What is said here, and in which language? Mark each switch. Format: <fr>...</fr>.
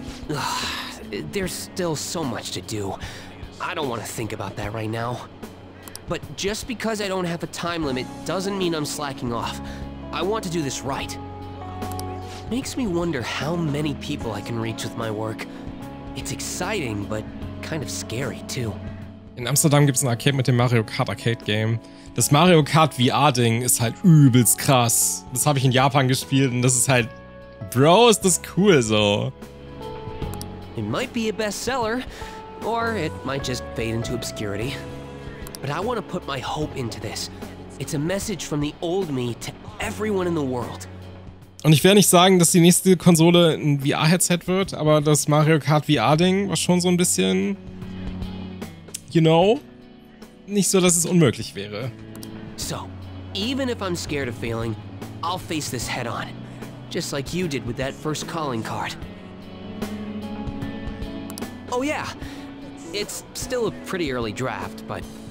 <en>Ugh, there's still so much to do. I don't want to think about that right now. But just because I don't have a time limit doesn't mean I'm slacking off. I want to do this right. Makes me wonder how many people I can reach with my work. It's exciting, but kind of scary, too.</en> <de>In Amsterdam gibt's ein Arcade mit dem Mario Kart Arcade Game. Das Mario Kart VR-Ding ist halt übelst krass. Das habe ich in Japan gespielt und das ist halt... Bro, ist das cool so.</de> <en>It might be a bestseller. Or it might just fade into obscurity. But I want to put my hope into this. It's a message from the old me to everyone in the world.</en> <de>Und ich werde nicht sagen, dass die nächste Konsole ein VR-Headset wird, aber das Mario Kart VR-Ding war schon so ein bisschen...</de> <en>You know?</en> <de>Nicht so, dass es unmöglich wäre.</de> <en>So, even if I'm scared of failing, I'll face this head on. Just like you did with that first calling card. Oh yeah! It's still a pretty early draft, but...</en>